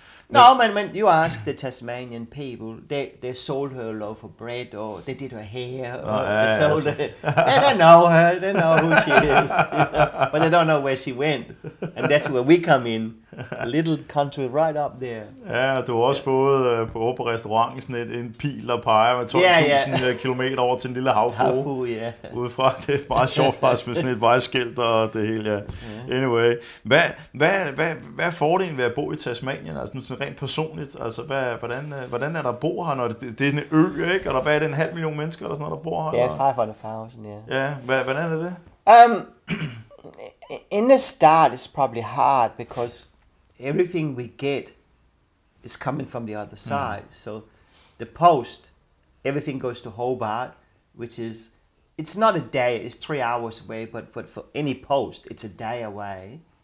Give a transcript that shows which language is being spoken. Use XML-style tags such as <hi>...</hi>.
<en>No, man, you ask the Tasmanian people, they sold her a loaf of bread, or they did her hair, they sold her. They don't know her, they know who she is, you know? But they don't know where she went, and that's where we come in, a little country right up there.</en> <da>Ja, du har også fået på restauranten sådan en pil, der peger med 12.000 kilometer over til en lille havfrue. Udefra, det er meget sjovt faktisk med sådan et vejskilt og det hele, Anyway, hvad er fordelen ved at bo i Tasmanien, altså nu rent personligt, altså hvordan er der at bo her, når det er en ø, ikke? Eller hvad er det, en 500.000 mennesker eller sådan noget, der bor her? Ja, 500.000, ja. Ja, hvordan er det?</da> <en>In the start, it's probably hard, because everything we get is coming from the other side. So the post, everything goes to Hobart, which is, it's not a day, it's 3 hours away, but for any post, it's a day away.</en>